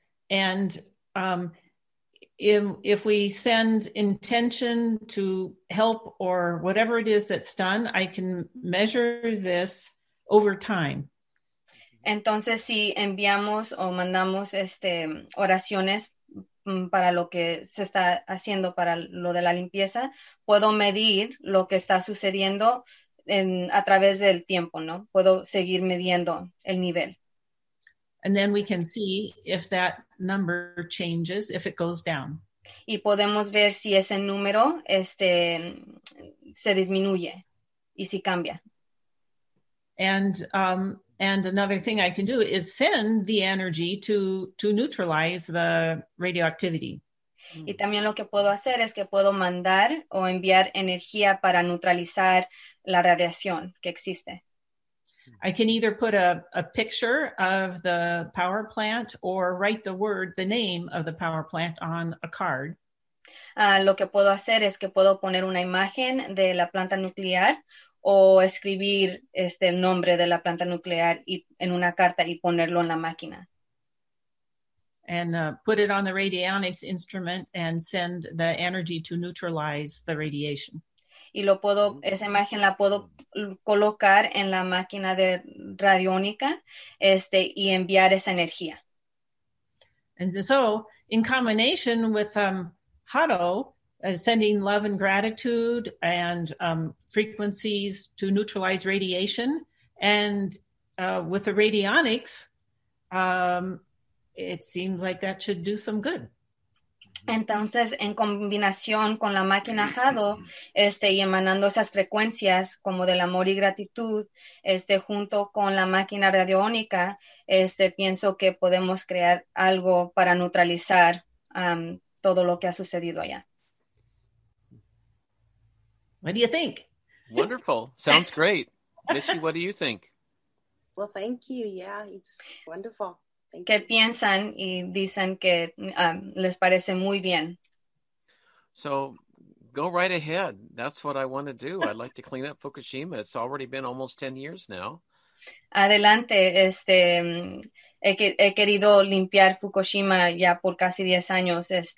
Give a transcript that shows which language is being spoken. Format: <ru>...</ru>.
<en>And if we send intention to help or whatever it is that's done, I can measure this over time.</en> <es>Entonces, si enviamos o mandamos oraciones para lo que se está haciendo, para lo de la limpieza, puedo medir lo que está sucediendo a través del tiempo, ¿no? Puedo seguir midiendo el nivel.</es> <en>And then we can see if that number changes, if it goes down.</en> <es>Y podemos ver si ese número se disminuye y si cambia.</es> <en>And another thing I can do is send the energy to neutralize the radioactivity.</en> <es>Y también lo que puedo hacer es que puedo mandar o enviar energía para neutralizar la radiación que existe.</es> <en>I can either put a picture of the power plant or write the name of the power plant on a card.</en> <es>Lo que puedo hacer es que puedo poner una imagen de la planta nuclear o escribir el nombre de la planta nuclear en una carta y ponerlo en la máquina.</es> <en>And put it on the radionics instrument and send the energy to neutralize the radiation.</en> <es>Y lo puedo, esa imagen la puedo colocar en la máquina de radiónica y enviar esa energía.</es> <en>And so, in combination with Hato, sending love and gratitude and frequencies to neutralize radiation, and with the radionics, it seems like that should do some good.</en> <es>Entonces, en combinación con la máquina Hado, y emanando esas frecuencias como del amor y gratitud, junto con la máquina radiónica, pienso que podemos crear algo para neutralizar todo lo que ha sucedido allá.</es> <en>What do you think? Wonderful. Sounds great. Michi, what do you think? Well, thank you. Yeah, it's wonderful.</en> <es>¿Qué piensan y dicen que les parece muy bien?</es> <en>So, go right ahead. That's what I want to do. I'd like to clean up Fukushima. It's already been almost 10 years now.</en> <es>Adelante. He querido limpiar Fukushima ya por casi 10 años.</es>